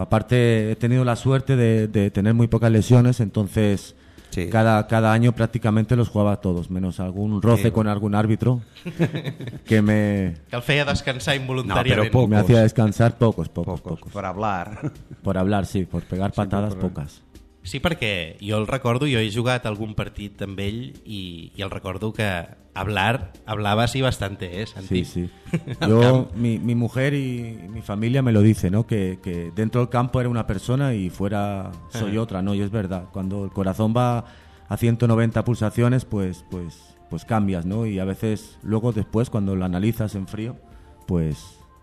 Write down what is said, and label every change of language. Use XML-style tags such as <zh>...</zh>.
<es>Aparte, he tenido la suerte de tener muy pocas lesiones, entonces... Sí. Cada año prácticamente los jugaba todos, menos algún roce con algún árbitro que me...</es> <ca>Que el feia descansar involuntariamente.</ca> <es>No, pero pocos. Me hacía descansar pocos. Por hablar. Por hablar, sí, por pegar patadas pocas.</es> <ca>Sí, perquè jo el recordo, jo he jugat algun partit amb ell i el recordo que</ca> <es>hablaba así bastante,</es> <ca>Santi. Sí, sí.</ca> <es>Yo, mi mujer y mi familia me lo dice, ¿no? Que dentro del campo era una persona y fuera soy otra, ¿no? Y es verdad, cuando el corazón va a 190 pulsaciones, pues cambias, ¿no? Y a veces, luego después, cuando lo analizas en frío, pues...</es>